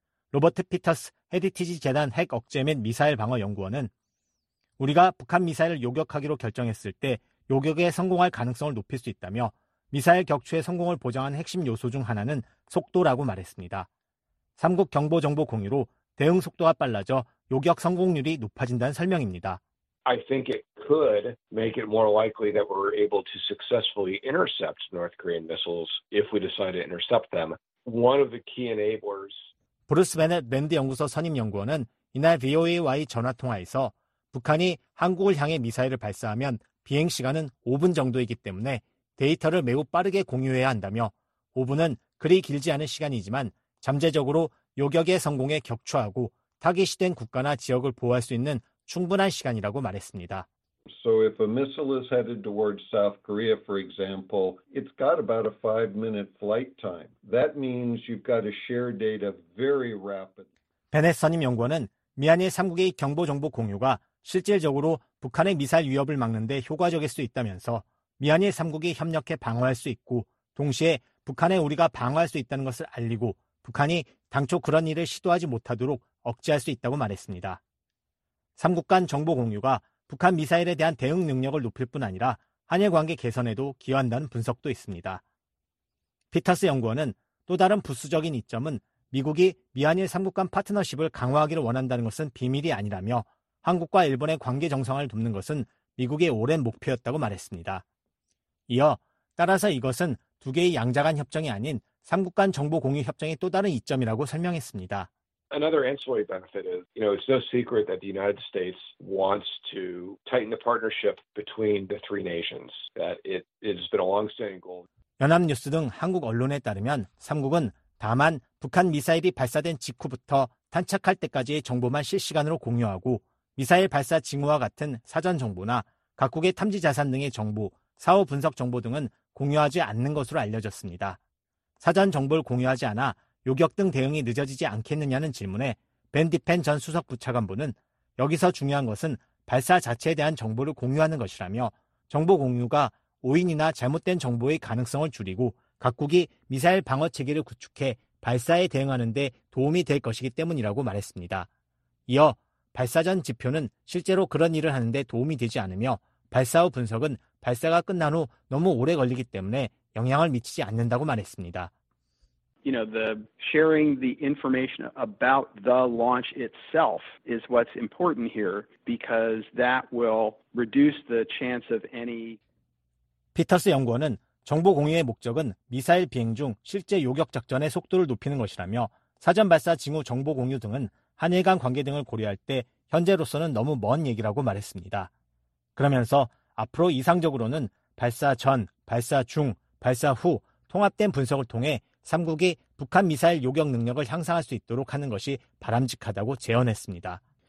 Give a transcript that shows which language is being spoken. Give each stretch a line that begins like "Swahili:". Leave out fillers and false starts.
Korean: 로버트 피터스 헤리티지 재단 핵 억제 및 미사일 방어 연구원은 우리가 북한 미사일을 요격하기로 결정했을 때 요격에 성공할 가능성을 높일 수 있다며 미사일 격추의 성공을 보장한 핵심 요소 중 하나는 속도라고 말했습니다. 3국 경보 정보 공유로 대응 속도가 빨라져 요격 성공률이 높아진다는 설명입니다.
English: I think it could make it more likely that we're able to successfully intercept North Korean missiles if we decide to intercept them. One of the key enablers.
Korean: 브루스 베넷 랜드 연구소 선임 연구원은 이날 VOA와의 전화 통화에서 북한이 한국을 향해 미사일을 발사하면 비행 시간은 5분 정도이기 때문에 데이터를 매우 빠르게 공유해야 한다며 5분은 그리 길지 않은 시간이지만 잠재적으로 요격의 성공에 격추하고 타깃이 된 국가나 지역을 보호할 수 있는 충분한 시간이라고 말했습니다.
English: So if a missile is headed towards South Korea, for example, it's got about a five-minute flight time. That means you've got to share data very rapidly.
Korean: 베넷 선임 연구원은 미한일 3국의 경보 정보 공유가 실질적으로 북한의 미사일 위협을 막는 데 효과적일 수 있다면서 미한일 3국이 협력해 방어할 수 있고 동시에 북한에 우리가 방어할 수 있다는 것을 알리고 북한이 당초 그런 일을 시도하지 못하도록 억제할 수 있다고 말했습니다. 3국 간 정보 공유가 북한 미사일에 대한 대응 능력을 높일 뿐 아니라 한일 관계 개선에도 기여한다는 분석도 있습니다. 피터스 연구원은 또 다른 부수적인 이점은 미국이 미한일 3국 간 파트너십을 강화하기를 원한다는 것은 비밀이 아니라며 한국과 일본의 관계 정상화를 돕는 것은 미국의 오랜 목표였다고 말했습니다. 이어 따라서 이것은 두 개의 양자간 협정이 아닌 3국 간 정보 공유 협정의 또 다른 이점이라고 설명했습니다.
English: Another ancillary benefit is, you know, it's no secret that the United States wants to tighten the partnership between the three nations. That it has been a long-standing goal.
Korean: 연합뉴스 등 한국 언론에 따르면 3국은 다만 북한 미사일이 발사된 직후부터 탄착할 때까지의 정보만 실시간으로 공유하고 미사일 발사 징후와 같은 사전 정보나 각국의 탐지 자산 등의 정보, 사후 분석 정보 등은 공유하지 않는 것으로 알려졌습니다. 사전 정보를 공유하지 않아 요격 등 대응이 늦어지지 않겠느냐는 질문에 벤 디펜 전 수석 부차관보는 여기서 중요한 것은 발사 자체에 대한 정보를 공유하는 것이라며 정보 공유가 오인이나 잘못된 정보의 가능성을 줄이고 각국이 미사일 방어 체계를 구축해 발사에 대응하는 데 도움이 될 것이기 때문이라고 말했습니다. 이어 발사 전 지표는 실제로 그런 일을 하는 데 도움이 되지 않으며 발사 후 분석은 발사가 끝난 후 너무 오래 걸리기 때문에 영향을 미치지 않는다고 말했습니다.
English: You know, the sharing the information about the launch itself is what's important here because that will reduce the chance of any
Korean: 피터스 연구원은 정보 공유의 목적은 미사일 비행 중 실제 요격 작전의 속도를 높이는 것이라며 사전 발사 징후 정보 공유 등은 한일 간 관계 등을 고려할 때 현재로서는 너무 먼 얘기라고 말했습니다. 그러면서 앞으로 이상적으로는 발사 전, 발사 중, 발사 후 통합된 분석을 통해 3국이 북한 미사일 요격 능력을 향상할 수 있도록 하는 것이 바람직하다고 제언했습니다.